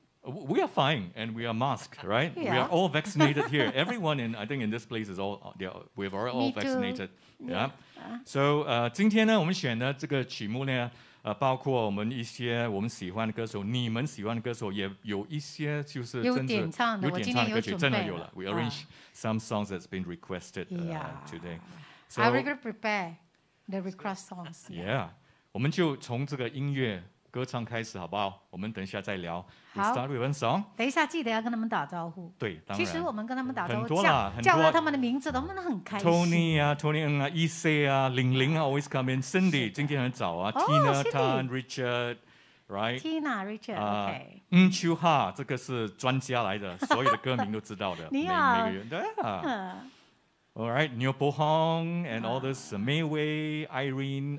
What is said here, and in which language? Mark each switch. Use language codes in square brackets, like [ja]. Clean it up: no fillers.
[en] We are fine, and we are masked, right? Yeah. We are all vaccinated here. Everyone in, I think, in this place is all. We've already all vaccinated. Yeah. [zh] So, 今天呢，我们选的这个曲目呢。包括我们一些我们喜欢的歌手，你们喜欢的歌手也有一些，就是有点唱的，有点唱的歌曲，真的有了。 [en] We arrange some songs that's been requested today. So, I really prepare the request songs. [zh] Yeah, 我们就从这个音乐歌唱开始，好不好？我们等一下再聊。 [en] We start with one song. [zh] 等一下记得要跟他们打招呼。对，当然。其实我们跟他们打招呼，很多啦，叫到他们的名字，他们都很开心。 Tony 啊 ，Tony 嗯啊 ，Ese 啊，玲玲啊 ， [en] always come in。 [zh] Cindy 今天很早啊、，Tina、 [en] Tan、Richard， right？ Tina、Richard， OK。 [zh] 嗯，秋哈，这个是专家来的，所有的歌名都知道的。你好，每个人的。 [en] All right, Neil Bohong and all this May Wei, Irene.